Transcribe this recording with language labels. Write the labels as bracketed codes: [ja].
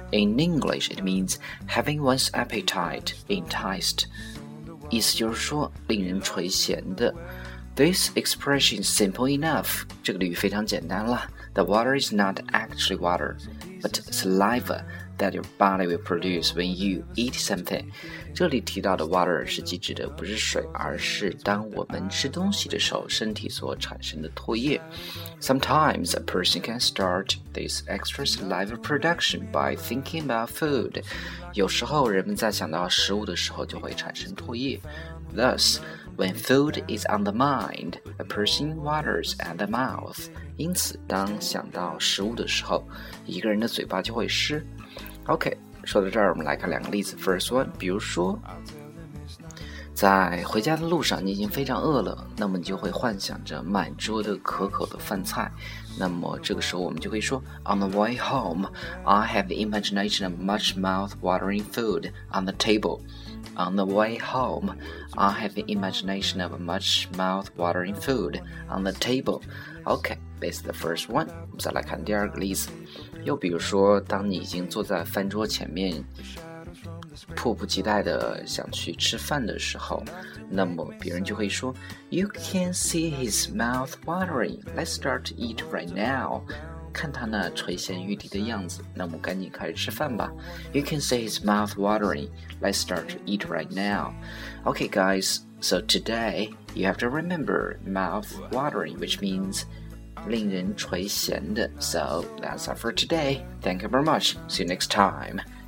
[en] In English, it means having one's appetite enticed, 意思就是说令人垂涎的。 This expression is simple enough, 这个俚语非常简单了。 The water is not actually water, but saliva. That your body will produce when you eat something. [zh] 这里提到的 water 是既指的不是水，而是当我们吃东西的时候，身体所产生的唾液。 [en] Sometimes a person can start this extra saliva production by thinking about food. [zh] 有时候人们在想到食物的时候就会产生唾液。 [en] Thus, when food is on the mind, a person waters at the mouth. [zh] 因此，当想到食物的时候，一个人的嘴巴就会湿。 OK, 说到这儿我们来看两个例子。 First one, 比如说在回家的路上你已经非常饿了，那么你就会幻想着满桌的可口的饭菜。 [en] 那么这个时候我们就会说 On the way home, I have the imagination of much mouth-watering food on the table. On the way home, I have the imagination of much mouth-watering food on the table. OK, that's the first one. [zh] 我们再来看第二个例子。又比如说当你已经坐在饭桌前面迫不及待的想去吃饭的时候，那么别人就会说 You can see his mouth watering, let's start to eat right now. 看他那垂涎欲滴的样子，那么赶紧开始吃饭吧。 [en] You can see his mouth watering, let's start to eat right now. OK guys, so today you have to remember mouth watering, which means 令人垂涎的。 So that's all for today. Thank you very much. See you next time.